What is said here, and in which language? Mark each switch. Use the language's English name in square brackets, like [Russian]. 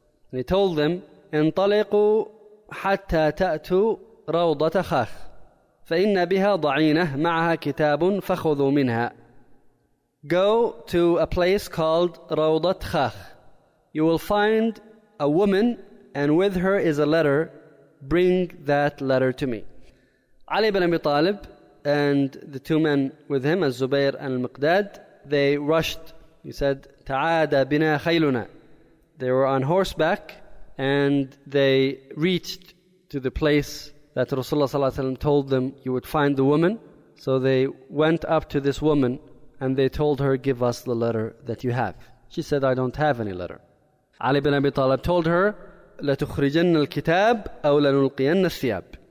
[English] And he told them, [Arabic] انطلقوا حتى تأتوا روضة خاخ فإن بها ضعينة معها كتاب فخذوا منها. [English] Go to a place called روضة خاخ. You will find a woman and with her is a letter. Bring that letter to me. Ali bin Abi Talib and the two men with him, Al-Zubayr and Al-Miqdad, they rushed. He said, [Arabic] تعاد بنا خيلنا. [English] They were on horseback and they reached to the place that Rasulullah Sallallahu Alaihi Wasallam told them you would find the woman. So they went up to this woman and they told her, give us the letter that you have. She said, I don't have any letter. Ali bin Abi Talib told her, [Arabic] لتخرجن الكتاب أو لنلقين الثياب.